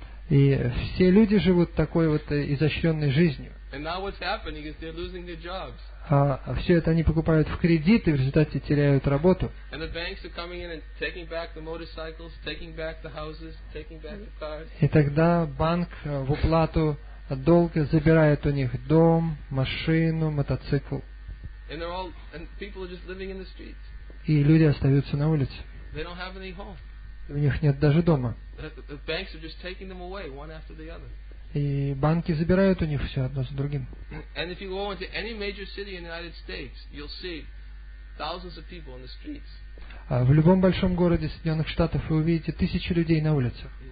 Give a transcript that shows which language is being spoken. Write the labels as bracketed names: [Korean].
[Russian] И все люди живут такой вот изощренной жизнью. [English] And now what's happening is they're losing their jobs. [Russian] Все это они покупают в кредит и в результате теряют работу. [English] And the banks are coming in and taking back the motorcycles, taking back the houses, taking back the cars. [Russian] И тогда банк в уплату долга забирает у них дом, машину, мотоцикл. [English] And people are just living in the streets. [Russian] И люди остаются на улице. [English] They don't have any home. [Russian] У них нет даже дома. [English] The banks are just taking them away one after the other. [Russian] И банки забирают у них все одно за другим. [English] And if you go into any major city in the United States, you'll see thousands of people in the streets. [Russian] В любом большом городе Соединенных Штатов вы увидите тысячи людей на улицах.